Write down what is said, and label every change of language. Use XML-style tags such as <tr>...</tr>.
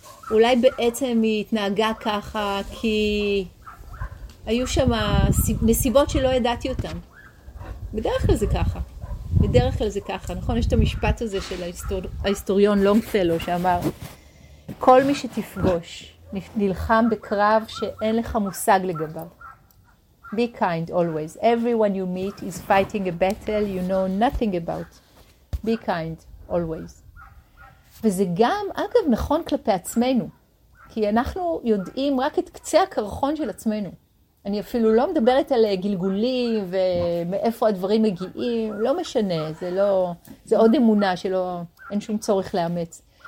<he>אולי בעצם היא התנהגה ככה כי היו שם נסיבות שלא ידעתי אותן. בדרך כלל זה ככה. בדרך כלל זה ככה. נכון, יש את המשפט הזה של ההיסטוריון לונגפלו שאמר, כל מי שתפגוש נלחם בקרב שאין לך מושג לגביו.</he> <en>Be kind always. Everyone you meet is fighting a battle you know nothing about. Be kind always.</en> <he>וזה גם, אגב, נכון כלפי עצמנו. כי אנחנו יודעים רק את קצה הקרחון של עצמנו. אני אפילו לא מדברת על גלגולים ומאיפה הדברים מגיעים. לא משנה, זה לא... זה עוד אמונה שלא... אין שום צורך לאמץ.</he>